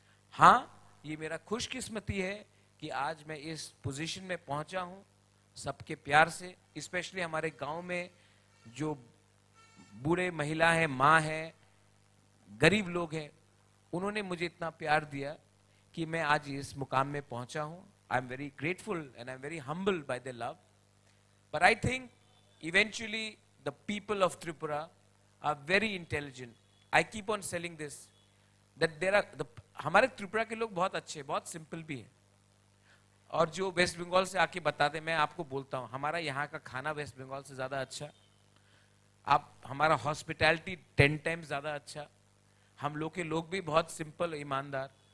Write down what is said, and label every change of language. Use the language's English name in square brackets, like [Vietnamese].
[Hindi] हाँ, ये मेरा खुशकिस्मती है कि आज मैं इस पोजीशन में पहुंचा हूं, सबके प्यार से, स्पेशली हमारे गांव में जो बूढ़े महिला है, माँ है, गरीब लोग हैं, उन्होंने मुझे इतना प्यार दिया कि मैं आज इस मुकाम में पहुंचा हूं। [English] I'm very grateful and I'm very humbled by their love. But I think eventually the people of Tripura are very intelligent. I keep on selling this, that there are the [Hindi] हमारे त्रिपुरा के लोग बहुत अच्छे, बहुत सिंपल भी हैं। और जो वेस्ट बंगाल से आके बताते, मैं आपको बोलता हूँ, हमारा यहाँ का खाना वेस्ट बंगाल से ज़्यादा अच्छा, आप हमारा हॉस्पिटैलिटी 10 times ज़्यादा अच्छा, हम लोग के लोग भी बहुत सिंपल, ईमानदार।